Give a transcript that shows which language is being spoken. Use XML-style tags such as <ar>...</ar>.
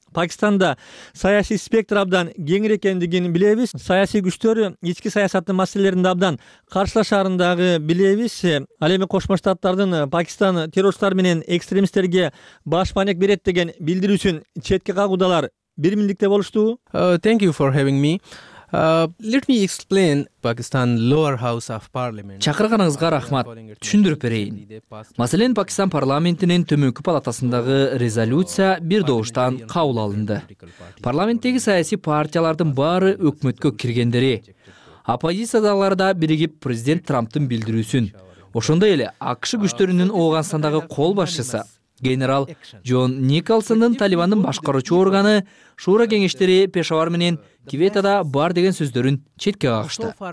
<ky>Пакистанда саясий спектр абдан кеңир экендигин билебиз. Саясий күчтөр ички саясаттын маселелеринде абдан каршылашаарындагы билебиз. Ал эми Кошмо Штаттардын Пакистан террорчулар менен экстремисттерге башпанек берет деген билдирүүсүн четке кагуудалар бир миндикте болуштубу?</ky> <en>Thank you for having me. Let me explain Pakistan lower house of parliament.</en> <ky>Чакырганыңызга рахмат. Түшүндүрүп берейин. Маселен, Пакистан парламентинин төмөнкү палатасындагы резолюция бир добуштан кабыл алынды. Парламенттеги саясий партиялардын баары өкмөткө киргендери. Оппозициядагылар да биригип президент Трамптын билдирүүсүн, ошондой эле АКШ күчтөрүнүн Оогандагы кол башчысы генерал Джон Николсондун Талибандын башкаруучу органы Шура кеңештери Пешавар менен Кветада бар деген сөздөрүн четке кагышты.</ky>